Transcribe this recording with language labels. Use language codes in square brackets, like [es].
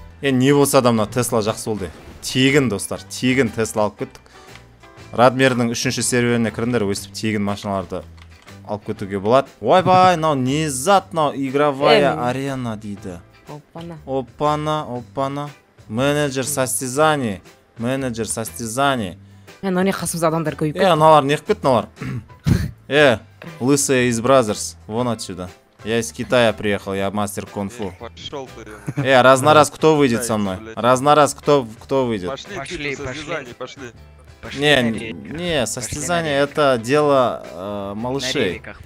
[kk] Е, не болса да мына Тесла жақсы болды. Тегін, достар, тегін Тесла алып кеттік. Радмирдің 3-ші серверіне кіріңдер, өстіп тегін машиналарды алып кетуге болады. Ойбай, мынау не зат, мынау [ru] игровая арена [kk] дейді. Опана. [ru] Опана, опана. Менеджер состязаний. Менеджер состязаний. [kk] Е, мынау не, қасымызда адамдар көбейіп кетті. Е, мыналар не қылып кетті мыналар. [ru] Е, лысые из бразерс. Вон отсюда. Я из Китая приехал, я мастер кунг-фу. Пошел ты. Э, раз на раз кто выйдет со мной? Раз на раз кто выйдет? Пошли, состязание, пошли. Не, состязание это дело малышей.